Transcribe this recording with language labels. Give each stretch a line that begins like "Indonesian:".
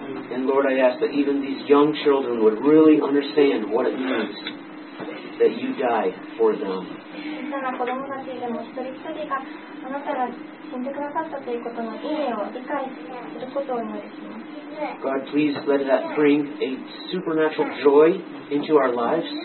English: And Lord, I ask that even these young children would really understand what it means that you died for them.
Japanese: 小さな子供たちでも一人一人があなたが死んでくださったということの意味を理解することを祈ります。
English: God, please let that bring a supernatural joy into our lives.